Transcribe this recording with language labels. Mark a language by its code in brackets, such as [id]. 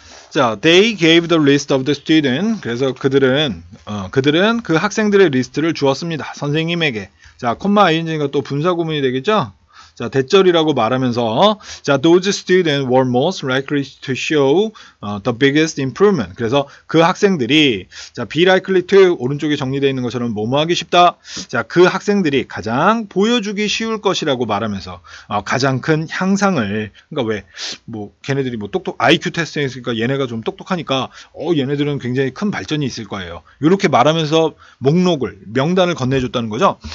[en] 자, they gave the list of the student. [ko] 그래서 그들은 그 학생들의 리스트를 주었습니다. 선생님에게. 자, 콤마 ing가 또 분사 구문이 되겠죠? [en] 자, [ko] 대절이라고 말하면서 [en] 자, those students were most likely to show the biggest improvement. [ko] 그래서 그 학생들이 자, [en] be likely to [ko] 오른쪽에 정리되어 있는 것처럼 뭐뭐하기 쉽다. 자, 그 학생들이 가장 보여주기 쉬울 것이라고 말하면서 가장 큰 향상을 그러니까 왜 뭐 걔네들이 뭐 똑똑 IQ 테스트 했으니까 얘네가 좀 똑똑하니까 얘네들은 굉장히 큰 발전이 있을 거예요. 이렇게 말하면서 목록을 명단을 건네줬다는 거죠.